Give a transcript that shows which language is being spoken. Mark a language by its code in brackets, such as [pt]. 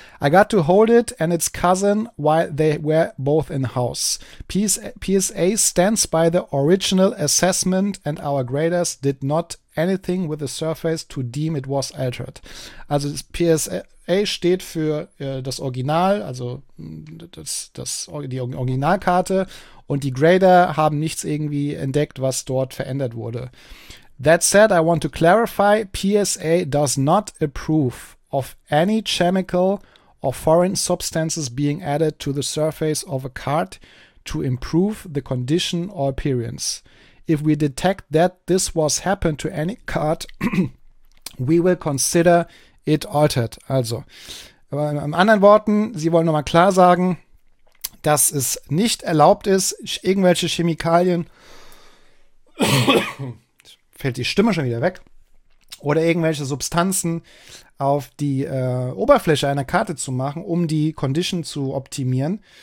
[en] I got to hold it and its cousin while they were both in house. PSA stands by the original assessment and our graders did not anything with the surface to deem it was altered. [de] Also das PSA steht für das Original, also die Originalkarte, und die Grader haben nichts irgendwie entdeckt, was dort verändert wurde. [en] That said, I want to clarify, PSA does not approve of any chemical or foreign substances being added to the surface of a card to improve the condition or appearance. If we detect that this was happened to any card, we will consider it altered. [de] Also, in anderen Worten, sie wollen nochmal klar sagen, dass es nicht erlaubt ist, irgendwelche Chemikalien, fällt die Stimme schon wieder weg, oder irgendwelche Substanzen auf die Oberfläche einer Karte zu machen, um die Condition zu optimieren.